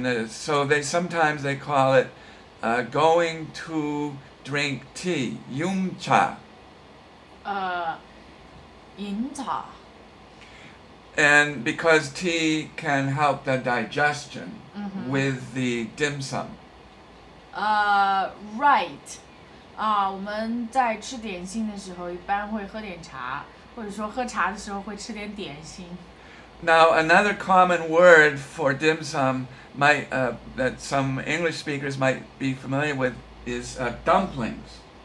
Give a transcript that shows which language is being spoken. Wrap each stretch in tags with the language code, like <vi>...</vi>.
<en>So they sometimes they call it going to drink tea, yum cha. Yin cha. And because tea can help the digestion with the dim sum. Right.</en> <zh>我们在吃点心的时候一般会喝点茶，或者说喝茶的时候会吃点点心。</zh> <en>Now, another common word for dim sum might, that some English speakers might be familiar with is dumplings.</en>